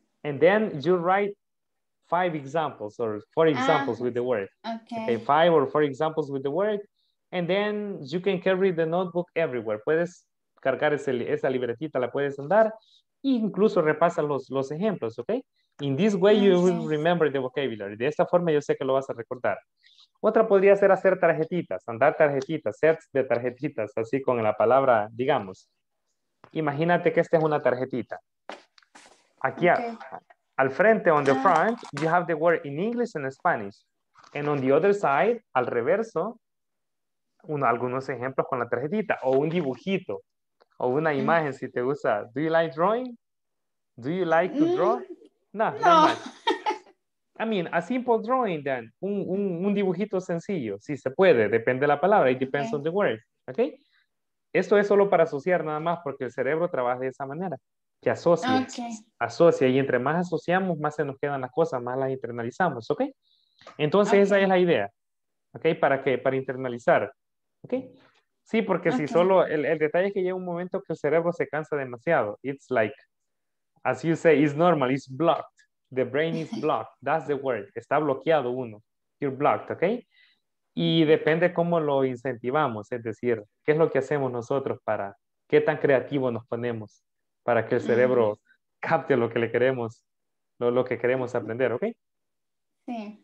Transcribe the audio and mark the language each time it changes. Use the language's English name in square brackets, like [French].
[English] And then you write five examples or four examples with the word. Okay. Five or four examples with the word. And then you can carry the notebook everywhere. [Spanish] Puedes cargar esa libretita, la puedes andar. E incluso repasa los ejemplos, [English] okay? In this way, you will remember the vocabulary. [Spanish] De esta forma, yo sé que lo vas a recordar. Otra podría ser hacer tarjetitas, andar tarjetitas, sets de tarjetitas, así con la palabra, digamos. Imagínate que esta es una tarjetita. Aquí, al frente, [English] on the front, you have the word in English and Spanish. And on the other side, [Spanish] al reverso, algunos ejemplos con la tarjetita, o un dibujito, o una imagen, si te gusta. [English] Do you like drawing? Do you like to draw? No. I mean, a simple drawing then, [Spanish] un dibujito sencillo, si se puede, depende de la palabra, [English] it depends on the word, okay? [Spanish] Esto es solo para asociar nada más, porque el cerebro trabaja de esa manera, que asocia, asocia, y entre más asociamos, más se nos quedan las cosas, más las internalizamos, okay? Entonces esa es la idea, okay, ¿para qué? Para internalizar. ¿Ok? Sí, porque si solo el detalle es que llega un momento que el cerebro se cansa demasiado. [English] It's like, as you say, it's normal, it's blocked. The brain is blocked. That's the word. [Spanish] Está bloqueado uno. [English] You're blocked, ¿ok? [Spanish] Y depende cómo lo incentivamos, es decir, qué es lo que hacemos nosotros para, qué tan creativo nos ponemos para que el cerebro capte lo que le queremos, lo que queremos aprender, ¿ok? Sí.